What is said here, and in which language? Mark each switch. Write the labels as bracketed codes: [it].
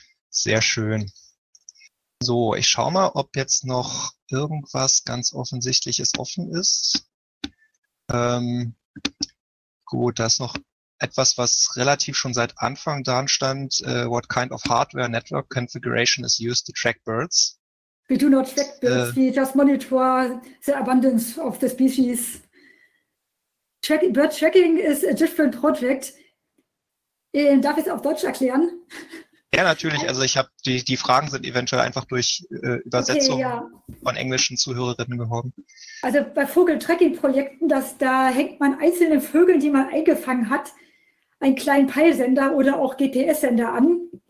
[de] Sehr schön. So, ich schaue mal, ob jetzt noch irgendwas ganz Offensichtliches offen ist. Gut, da ist noch etwas, was relativ schon seit Anfang dran stand. [en] What kind of hardware network configuration is used to track birds? We do not track birds. We just monitor the abundance of the species. Bird tracking is a different project. [de] Darf ich es auf Deutsch erklären? Ja, natürlich. Also ich habe die Fragen sind eventuell einfach durch Übersetzung von englischen Zuhörerinnen geworden. Also bei Vogel-Tracking-Projekten, da hängt man einzelnen Vögeln, die man eingefangen hat, einen kleinen Peilsender oder auch GPS-Sender an.